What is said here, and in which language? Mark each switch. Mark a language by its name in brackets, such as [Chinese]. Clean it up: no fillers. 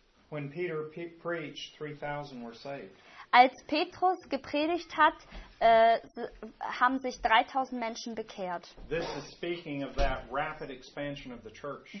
[English] When Peter preached, 3,000 were saved. [German] Als Petrus gepredigt hat, haben sich 3000 Menschen bekehrt. [English] This is speaking of that rapid expansion of the church.